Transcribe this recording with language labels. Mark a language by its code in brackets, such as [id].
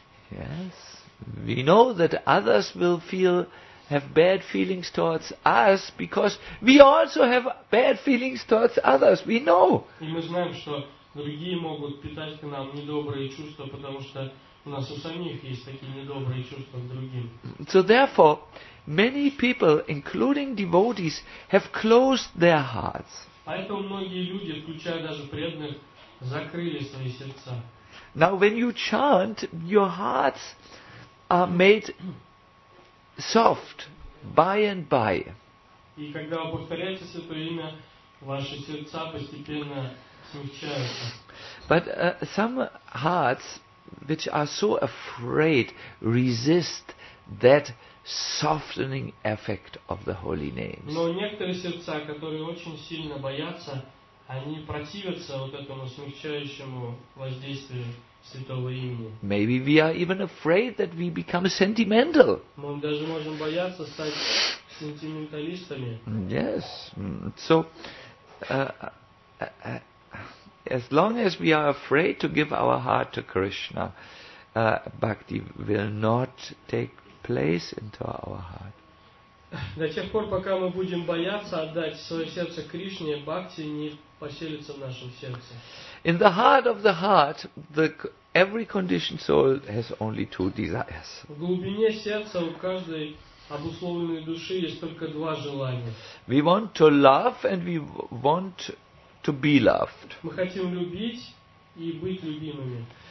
[en] Yes, we know that others will have bad feelings towards us because we also have bad feelings towards others. We know. [ru] И мы знаем, что другие могут питать к нам недобрые чувства, потому что у нас у самих есть такие недобрые чувства к другим. [en] So therefore, many people, including devotees, have closed their hearts. [ru] Поэтому многие люди, включая даже преданных, закрыли свои сердца. [en] Now, when you chant, your hearts are made soft by and by. [ru] И когда вы повторяете святое имя, ваши сердца постепенно смягчаются. [en] But some hearts, which are so afraid, resist that softening effect of the holy names. [ru] Но некоторые сердца, которые очень сильно боятся, они противятся вот этому смягчающему воздействию святого имени. [en] Maybe we are even afraid that we become sentimental. [ru] Мы даже можем бояться стать сентименталистами. [en] Yes. So, as long as we are afraid to give our heart to Krishna, bhakti will not take place into our heart. [ru] До тех пор, пока мы будем бояться отдать свое сердце Кришне, бхакти не поселится в нашем сердце. [en] In the heart of the heart, every conditioned soul has only two desires. [ru] В глубине сердца у каждой обусловленной души есть только два желания. [en] We want to love and we want to be loved. [ru] Мы хотим любить и быть любимыми.